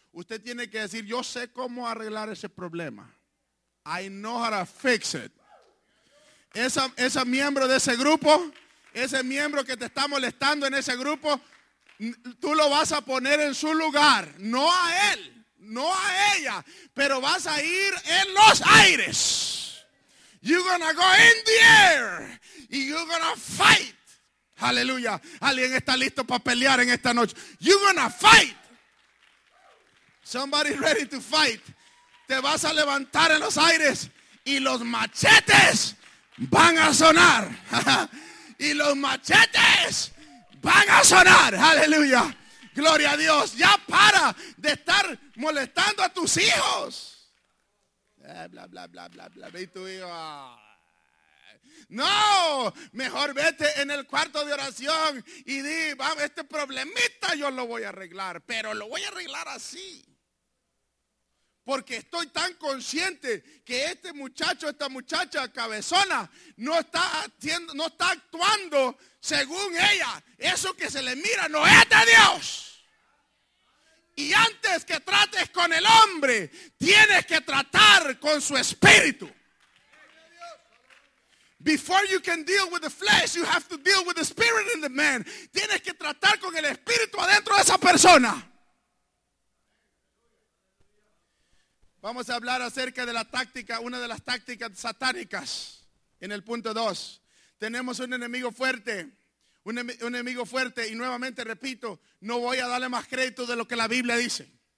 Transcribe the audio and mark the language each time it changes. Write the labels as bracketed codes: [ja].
[es] Usted tiene que decir, yo sé cómo arreglar ese problema. [en] I know how to fix it. [es] Ese miembro de ese grupo, ese miembro que te está molestando en ese grupo, tú lo vas a poner en su lugar. No a él, no a ella, pero vas a ir en los aires. [en] You're gonna go in the air. Y you're gonna fight. Aleluya. [es] ¿Alguien está listo para pelear en esta noche? [en] You're gonna fight. Somebody ready to fight. [es] Te vas a levantar en los aires y los machetes van a sonar. Y los machetes van a sonar. Aleluya. Gloria a Dios. Ya para de estar molestando a tus hijos. Bla, bla, bla, bla, bla. Ve tu hijo. No, mejor vete en el cuarto de oración y di, vamos, este problemita yo lo voy a arreglar, pero lo voy a arreglar así. Porque estoy tan consciente que este muchacho, esta muchacha cabezona, no está actuando según ella. Eso que se le mira no es de Dios. Y antes que trates con el hombre, tienes que tratar con su espíritu. [en] Before you can deal with the flesh, you have to deal with the spirit in the man. [es] Tienes que tratar con el espíritu adentro de esa persona. Vamos a hablar acerca de la táctica, una de las tácticas satánicas en el punto 2. Tenemos un enemigo fuerte, un enemigo fuerte, y nuevamente repito, no voy a darle más crédito de lo que la Biblia dice.